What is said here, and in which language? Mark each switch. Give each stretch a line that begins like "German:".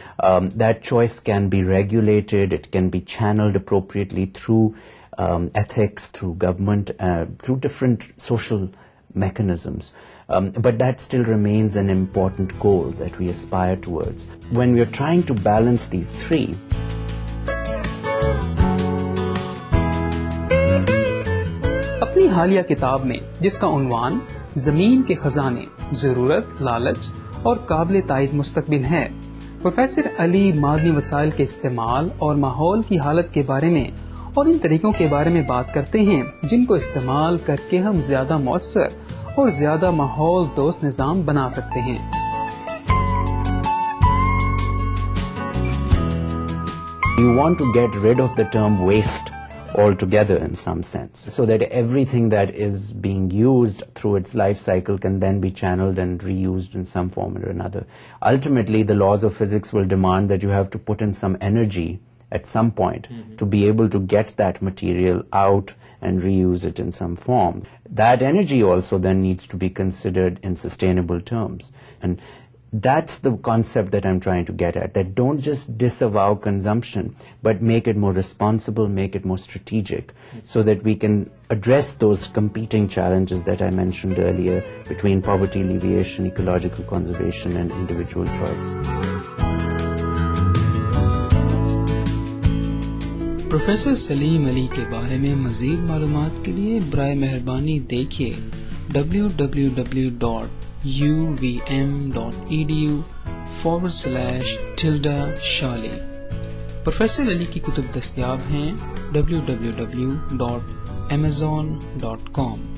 English: That choice can be regulated, it can be channeled appropriately through ethics, through government, through different social mechanisms. But that still remains an important goal that we aspire towards. When we are trying to balance these three,
Urdu: اپنی حالیہ کتاب میں جس کا عنوان زمین کے خزانے ضرورت لالچ اور قابل تائید مستقبل ہے پروفیسر علی مادنی وسائل کے استعمال اور ماحول کی حالت کے بارے میں اور ان طریقوں کے بارے میں بات کرتے ہیں جن کو استعمال کر کے ہم زیادہ مؤثر اور زیادہ ماحول دوست نظام بنا سکتے ہیں.
English: You want to get rid of the term waste altogether in some sense, so that everything that is being used through its life cycle can then be channeled and reused in some form or another. Ultimately, the laws of physics will demand that you have to put in some energy at some point to be able to get that material out and reuse it in some form. That energy also then needs to be considered in sustainable terms. And that's the concept that I'm trying to get at, that don't just disavow consumption, but make it more responsible, make it more strategic, so that we can address those competing challenges that I mentioned earlier between poverty alleviation, ecological conservation, and individual choice.
Urdu: Professor سلیم علی کے بارے میں مزید معلومات کے لیے برائے مہربانی دیکھیے www.uvm.edu/tildashali. پروفیسر علی کی کتب دستیاب ہیں www.amazon.com.